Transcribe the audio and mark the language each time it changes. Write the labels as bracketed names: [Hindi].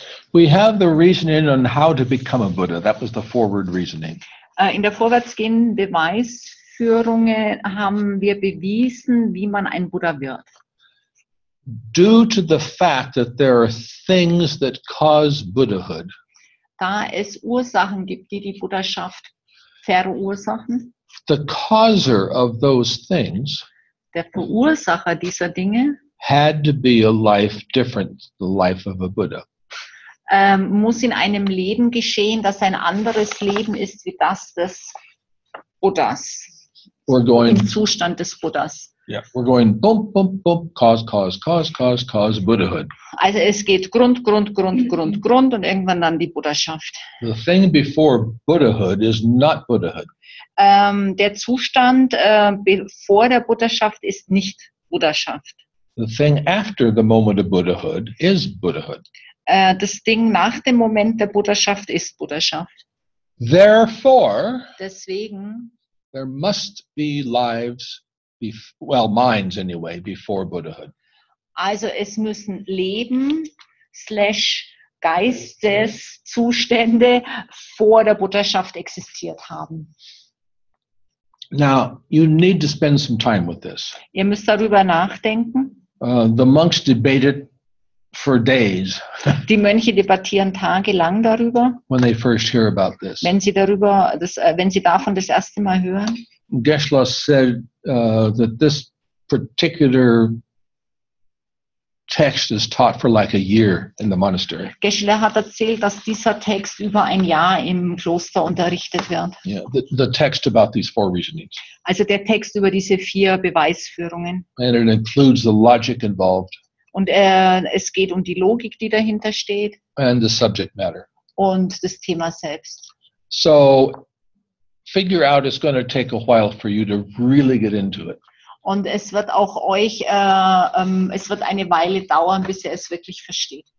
[English] We have the reasoning on how to become a Buddha. That was the forward reasoning. [German] In der vorwärtsgehenden Beweisführung haben wir bewiesen, wie man ein Buddha wird. [English] Due to the fact that there are things that cause Buddhahood. [German] Da es Ursachen gibt, die die Buddhaschaft verursachen. [English] The causer of those things. [German] Der Verursacher dieser Dinge. [English] Had to be a life different, the life of a Buddha. [German] Muss in einem Leben geschehen, das ein anderes Leben ist wie das des Buddhas. [English] We're going, [German] im Zustand des Buddhas. [English] Yeah, we're going bump, bump, bump, cause, cause, cause, cause, cause, Buddhahood. [German] Also es geht Grund, Grund, Grund, Grund, Grund und irgendwann dann die Buddhaschaft. [English] The thing before Buddhahood is not Buddhahood. [German] Der Zustand vor der Buddhaschaft ist nicht Buddhaschaft. [English] The thing after the moment of Buddhahood is Buddhahood. [German] Das Ding nach dem Moment der Buddhaschaft ist Buddhaschaft. [English] Therefore, [German] deswegen, [English] there must be lives, minds anyway, before Buddhahood. [German] Also es müssen Leben / Geisteszustände vor der Buddhaschaft existiert haben. [English] Now, you need to spend some time with this. [German] Ihr müsst darüber nachdenken. [English] The monks debated for days. [German] Die Mönche debattieren tagelang darüber. [English] When they first hear about this. [German] Wenn sie davon das erste Mal hören. [English] Geshe-la said that this particular text is taught for like a year in the monastery. [German] Geshe-la hat erzählt, dass dieser Text über ein Jahr im Kloster unterrichtet wird. [English] Yeah, the text about these four reasonings. [German] Also der Text über diese vier Beweisführungen. [English] And it includes the logic involved. [German] Und es geht um die Logik, die dahinter steht. [English] And the subject matter. [German] Und das Thema selbst. [English] So, figure out it's going to take a while for you to really get into it. [German] Und es wird auch euch, es wird eine Weile dauern, bis ihr es wirklich versteht.